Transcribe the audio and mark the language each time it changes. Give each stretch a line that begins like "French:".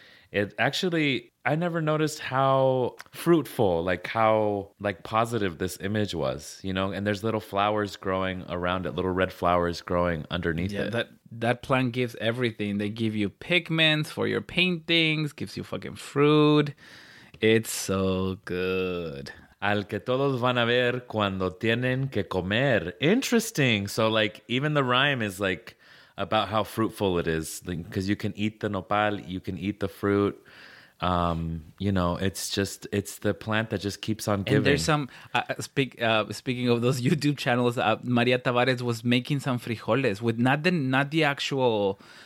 English: It actually, I never noticed how fruitful, like how like positive this image was, you know? And there's little flowers growing around it, little red flowers growing underneath it. That plant gives everything. They give you pigments for your paintings, gives you fucking fruit. It's so good.
Spanish: Al que todos van a ver cuando tienen que comer.
English: Interesting. So, like, even the rhyme is, like, about how fruitful it is. Because like, you can eat the nopal, you can eat the fruit. You know, it's the plant that just keeps on giving. And there's some, speaking of those YouTube channels, Maria Tavares was making some frijoles with not the actual